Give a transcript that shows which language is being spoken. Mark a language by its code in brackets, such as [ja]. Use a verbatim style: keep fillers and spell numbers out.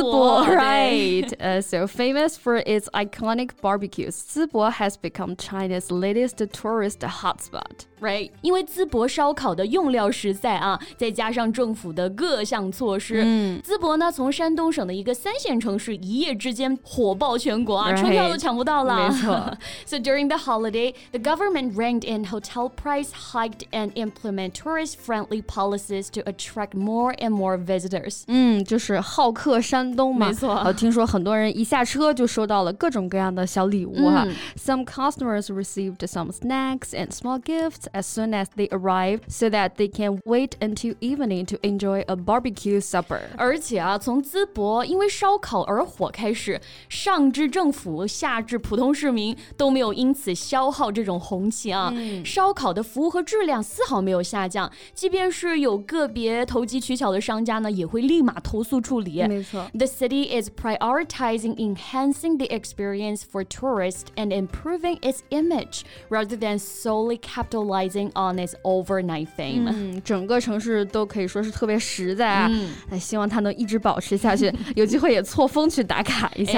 [en] 博 ，right? Uh, so famous for its iconic barbecues, Zibo has become China's latest tourist hotspot. Right. [zh] 因为淄博烧烤的用料实在啊，再加上政府的各项措施，嗯，淄博呢从山东省的一个三线城市一夜之间火爆全国啊， [en] right. [zh] 车票都抢不到了。没错。 [en] So during the holiday, the government reined in hotel price hiked and implement tourist-friendly policies to attract more and more visitors. [zh] 嗯，就是好客山东嘛。没错。啊，听说很多人一下车就收到了各种各样的小礼物啊。嗯。 [en] Some customers received some snacks and small gifts. As soon as they arrive, so that they can wait until evening to enjoy a barbecue supper. [zh] 而且啊，从淄博因为烧烤而火开始，上至政府，下至普通市民都没有因此消耗这种红气啊。嗯。烧烤的服务和质量丝毫没有下降，即便是有个别投机取巧的商家呢，也会立马投诉处理。没错。 [en] The city is prioritizing enhancing the experience for tourists and improving its image rather than solely capitalizing. On its overnight fame、 [zh] 嗯、整个城市都可以说是特别实在啊、嗯哎、希望它能一直保持下去有机会也错峰去打卡一下、